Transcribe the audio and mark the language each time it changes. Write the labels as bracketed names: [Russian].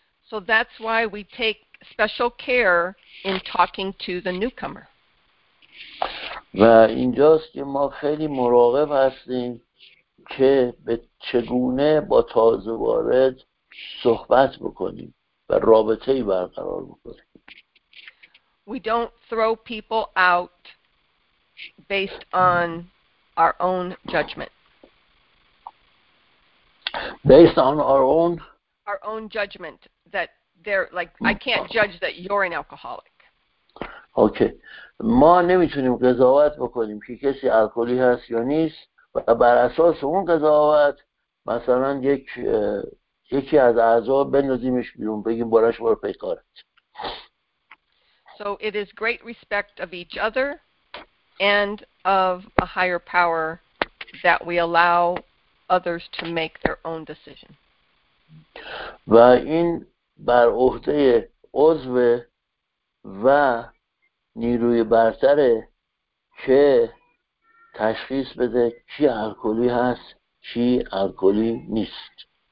[English] So that's why we take special care in talking to the newcomer. [Persian] و اینجاست که ما خیلی مراقب هستیم که به چگونه با تازه وارد صحبت بکنیم و رابطه‌ای برقرار بکنیم. [English] We don't throw people out based on our own judgment. Based on our own judgment that they're like, I can't judge that you're an alcoholic. Okay. [Persian] ما نمیتونیم قضاوت بکنیم که کسی الکلی هست یا نیست و بر اساس اون قضاوت مثلا یکی از اعضا بندازیمش بیرون بگیم براش برو پیکارت. [English] So it is great respect of each other and of a higher power that we allow others to make their own decision. [Persian] و این بر عهده عضو و نیروی برتره که تشخیص بده چی الکلی هست چی الکلی نیست.